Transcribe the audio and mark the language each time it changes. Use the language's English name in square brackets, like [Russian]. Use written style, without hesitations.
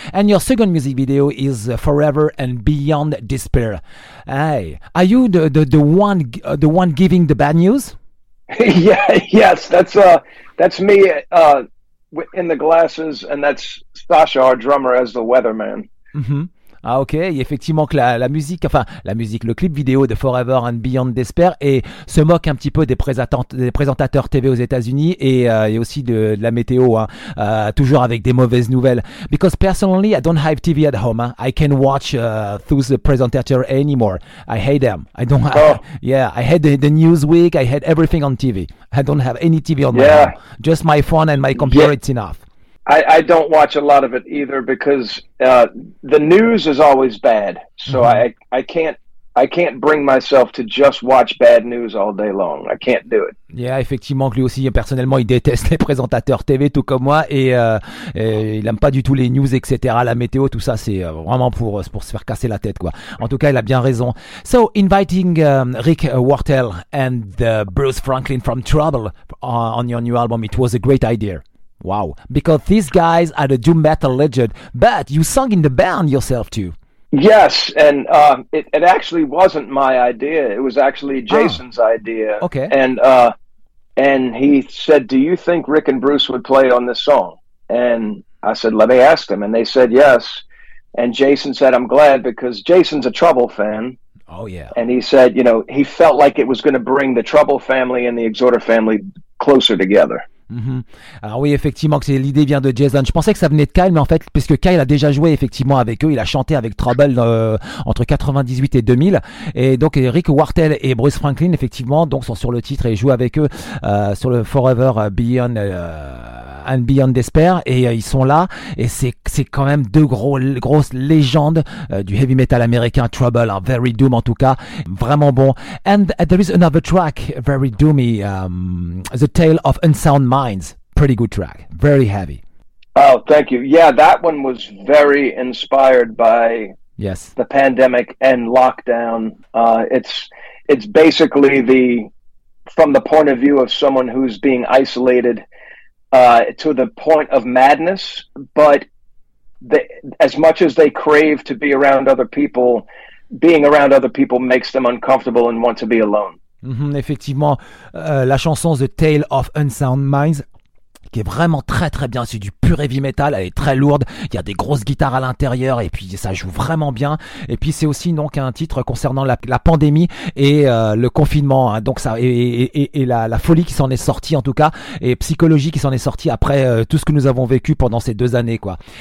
[English] And your second music video is Forever and Beyond Despair. Hey, are you the one giving the bad news? Yeah, yes, that's me in the glasses, and that's Sasha, our drummer, as the weatherman. Mm-hmm. [French] Ah ok, effectivement que la musique, le clip vidéo de Forever and Beyond Despair et se moque un petit peu des présentateurs TV aux États-Unis et aussi de la météo, hein, toujours avec des mauvaises nouvelles. [English] Because personally, I don't have TV at home. Hein. I can't watch through the presenter anymore. I hate them. I don't. I hate the Newsweek. I hate everything on TV. I don't have any TV on my home. Just my phone and my computer. Yeah. It's enough. I don't watch a lot of it either because the news is always bad. So mm-hmm. I can't bring myself to just watch bad news all day long. I can't do it. [French] Yeah, effectivement, lui aussi, personnellement, il déteste les présentateurs TV, tout comme moi, et il aime pas du tout les news, etc., la météo, tout ça, c'est vraiment pour se faire casser la tête, quoi. En tout cas, il a bien raison. [English] So, inviting Rick Wartell and Bruce Franklin from Trouble on your new album, it was a great idea. Wow, because these guys are the doom metal legend, but you sung in the band yourself too. Yes, and it actually wasn't my idea. It was actually Jason's idea. Okay. And he said, do you think Rick and Bruce would play on this song? And I said, let me ask them. And they said, yes. And Jason said, I'm glad because Jason's a Trouble fan. Oh, yeah. And he said, you know, he felt like it was going to bring the Trouble family and the Exhorter family closer together. Mm-hmm. [French] Alors oui, effectivement, que l'idée vient de Jason. Je pensais que ça venait de Kyle, mais en fait, parce que Kyle a déjà joué effectivement avec eux, il a chanté avec Trouble entre 98 et 2000. Et donc Rick Wartell et Bruce Franklin, effectivement, donc sont sur le titre et jouent avec eux sur le Forever Beyond and Beyond Despair. Et ils sont là. Et c'est quand même deux grosses légendes du heavy metal américain. Trouble, hein, Very Doom en tout cas, vraiment bon. [English] And there is another track, Very Doomy, The Tale of Unsound Minds, pretty good track, very heavy. Oh, thank you. Yeah, that one was very inspired by the pandemic and lockdown. It's basically from the point of view of someone who's being isolated to the point of madness, but as much as they crave to be around other people, being around other people makes them uncomfortable and want to be alone. [French] Mm-hmm, effectivement, la chanson The Tale of Unsound Minds, qui est vraiment très très bien, c'est du pur heavy metal, elle est très lourde, il y a des grosses guitares à l'intérieur et puis ça joue vraiment bien. Et puis c'est aussi donc un titre concernant la pandémie et le confinement, hein, donc ça et la folie qui s'en est sortie en tout cas, et psychologie qui s'en est sortie après tout ce que nous avons vécu pendant ces 2 années, quoi.